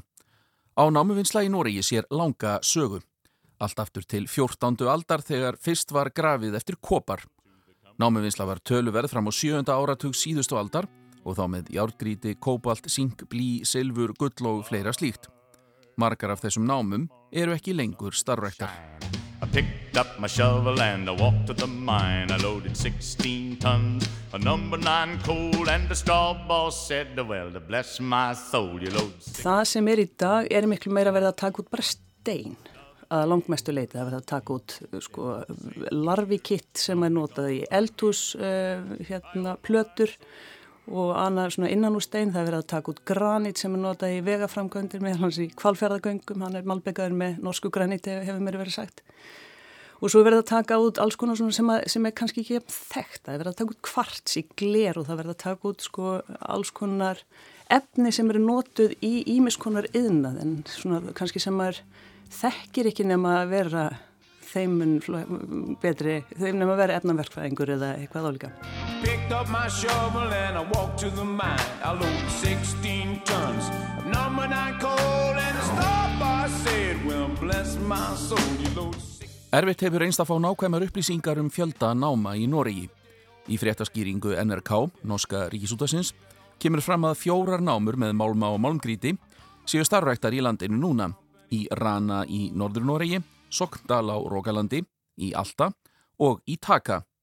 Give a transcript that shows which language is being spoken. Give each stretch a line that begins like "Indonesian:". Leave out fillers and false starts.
Icelandic: Á námuvinnsla í Noregi sér langa sögu, allt aftur til 14. aldar þegar fyrst var grafið eftir kopar. Námuvinnsla var töluverð fram á 7. áratug síðustu aldar og þá með járngrýti, kóbalt, sink, blý, silfur, gull og fleira slíkt. Margar af þessum námum eru ekki lengur starfræktar.
English: I picked up my shovel and I walked to the mine. I loaded 16 tons of number 9 coal and the straw boss said, well, bless my soul, you load 16.
Icelandic: Það sem er í dag er miklu meira verið að taka út bara stein að langmestu leiti. Það verið að taka út sko, larvikitt sem er notað í eldhús hérna, plötur og annað svona innan úr stein. Það verið að taka út granít sem er notað í vegaframkvæmdir með hans í Hvalfjarðargöngum. Hann er malbeggaður með norsku granít hefur mér verið sagt. Og svo verið að taka út alls konar sem er kannski ekki þekkt. Það verið að taka út kvarts í gler og það verið að taka út sko alls konar efni sem eru notuð í ýmis konar iðnað. En svona kannski sem maður þekkir ekki nema að vera þeim nema að vera efnaverkfæðingur eða eitthvað álíka.
English: Picked up my shovel and I walked to the mine. I loaded 16 tons of number 9 coal and the stopper said, well, bless my soul, you load.
Icelandic: Erfitt hefur reynst að fá nákvæmar upplýsingar fjölda náma í Noregi. Í fréttaskýringu NRK, norska ríkisútvarpsins, kemur fram að fjórar námur með málma og málmgrýti séu starfræktar í landinu núna, í Rana í Norður-Noregi, Sogndal á Rogalandi, í Alta og í Taka.